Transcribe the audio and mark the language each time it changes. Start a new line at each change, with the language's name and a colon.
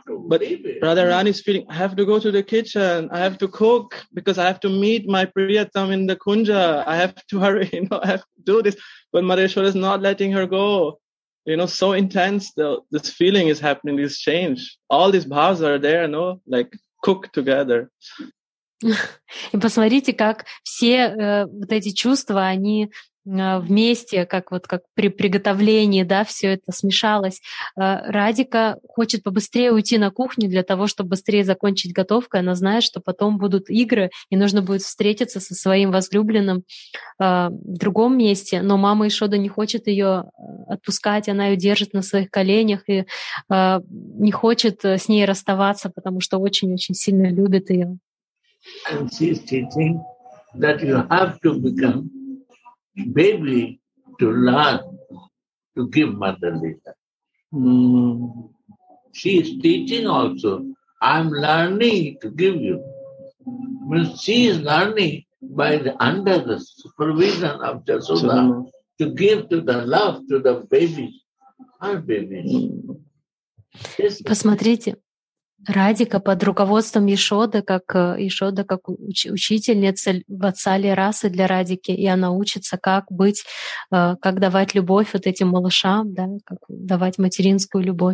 English: But Radha Rani is feeling, I have to go to the kitchen. I have to cook because I have to meet my Priyatam in the Kunja. I have to hurry, you know, I have to do this. But Mother Yashoda is not letting her go. You know, so intense, this feeling is happening, this change. All these bhavs are there, you know, like cook together.
Russian: И посмотрите, как все вот эти чувства, они вместе, как вот как при приготовлении, да, все это смешалось. Радика хочет побыстрее уйти на кухню для того, чтобы быстрее закончить готовку. Она знает, что потом будут игры, и нужно будет встретиться со своим возлюбленным в другом месте. Но мама Яшода не хочет ее отпускать, она ее держит на своих коленях и не хочет с ней расставаться, потому что очень-очень сильно любит ее.
English: And she's teaching that you have to become baby to learn to give mother Lila. She is teaching also, I'm learning to give you. Means she is learning by the under the supervision of Yashoda to give to the love to the baby, her baby.
Russian: Посмотрите. Радика под руководством Яшоды, как учительница Ватсали расы для Радики, и она учится, как быть, как давать любовь вот этим малышам, да, как давать материнскую